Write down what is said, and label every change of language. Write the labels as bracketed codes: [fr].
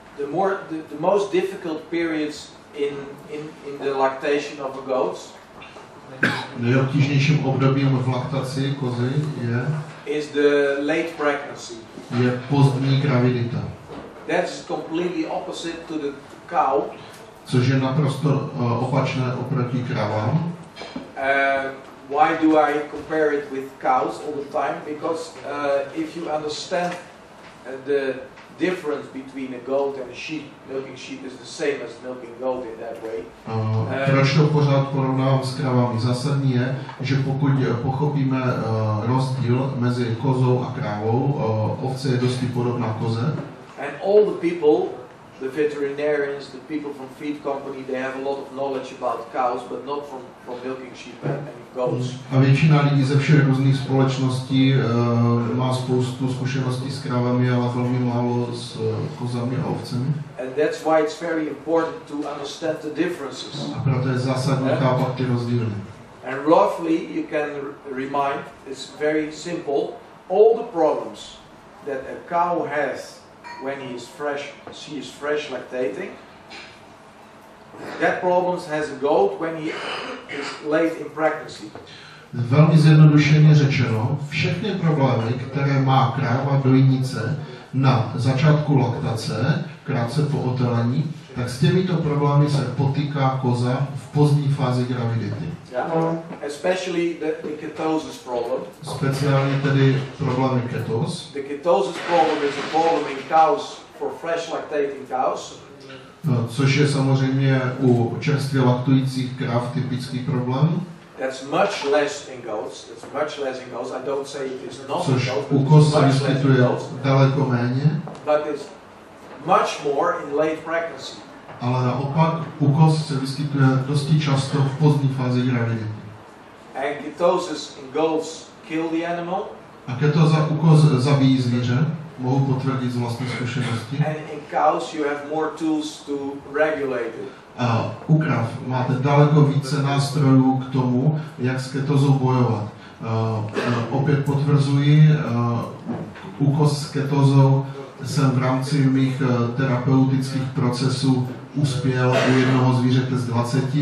[en] The most difficult periods in the lactation of the goats. [cs] Nejobtížnějším obdobím v laktaci kozy je [en] is the late pregnancy. [cs] Je pozdní gravidita. [en] That's completely opposite to the cow. [cs] Což je naprosto opačné oproti kravám. [en] Why do I compare it with cows all the time? Because if you understand the difference between a goat and a sheep, milking sheep is the same as milking goat in that way. [cs] Proč to pořád porovnávám s kravami? Zásadní je, že pokud pochopíme rozdíl mezi kozou a krávou, ovce je dosti podobná koze. [en] And all the people, the veterinarians, the people from feed company, they have a lot of knowledge about cows, but not from milking sheep and goats. [cs] A většina lidí ze všech různých společností má spoustu zkušeností s krávami, ale velmi málo s kozami a ovcemi. [en] And that's why it's very important to understand the differences. [cs] A proto je zásadní chápat ty rozdíly. [en] And roughly you can remind, it's very simple, all the problems that a cow has when he is fresh, she is fresh lactating. That problems has a goat when he is late in pregnancy. [cs] Velmi zjednodušeně řečeno, všechny problémy, které má kráva dojnice na začátku laktace, krátce po otelení, tak s těmito problémy se potýká koza v pozdní fázi gravidity. [en] Yeah. Especially the ketosis problem. [cs] Speciálně tedy problémy ketos. [en] The ketosis problem is a problem in cows for fresh lactating cows. [cs] Což je samozřejmě u čerstvě laktujících kráv typický problém. [en] That's much less in goats. It's much less in goats. I don't say it's not. [cs] Což [en] in goats, [cs] u koz se vyskytuje daleko méně. [en] But it's much more in late pregnancy. [cs] Ale naopak u koz se vyskytuje dosti často v pozdní fázi gravidity. [en] And ketosis in goats kill the animal. [cs] A ketoza u koz zabíjí zvíře. mohu potvrdit z vlastní zkušenosti. [en] And in cows you have more tools to regulate it. [cs] U krav máte daleko více nástrojů k tomu, jak s ketozou bojovat. Opět potvrzuji, úkos s ketozou jsem v rámci mých terapeutických procesů uspěl u jednoho zvířete z 20.